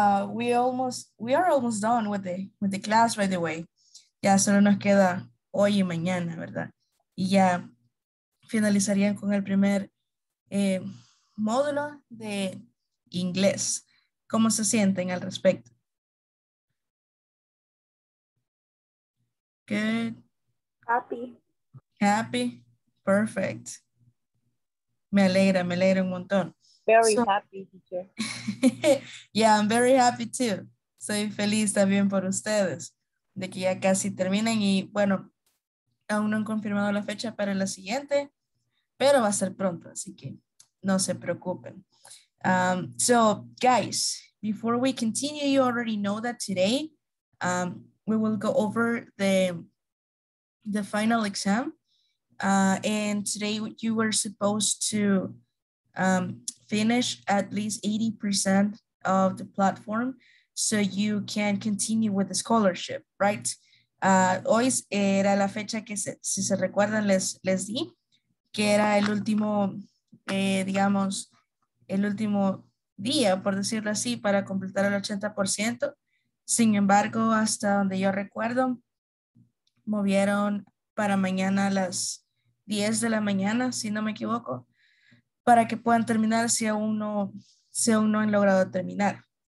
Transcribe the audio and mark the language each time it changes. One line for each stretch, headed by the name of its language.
English: We are almost done with the class, by the way.
Spanish: Ya solo nos queda hoy y mañana, ¿verdad? Y ya finalizarían con el primer módulo de inglés. ¿Cómo se sienten al respecto?
English: Good. Happy. Happy. Perfect.
Spanish: Me alegra un montón.
English: Very happy, teacher. Yeah, I'm very happy too.
Spanish: Soy feliz también por ustedes. De que ya casi terminen y bueno, aún no han confirmado la fecha para la siguiente, pero va a ser pronto, así que no se preocupen.
English: So guys, before we continue, you already know that today we will go over the final exam, and today you were supposed to finish at least 80% of the platform so you can continue with the scholarship, right?
Spanish: Hoy era la fecha que, si se recuerdan, les di, que era el último, digamos, el último día, por decirlo así, para completar el 80%. Sin embargo, hasta donde yo recuerdo, movieron para mañana a las 10 de la mañana, si no me equivoco, para que puedan terminar si aún no han logrado terminar.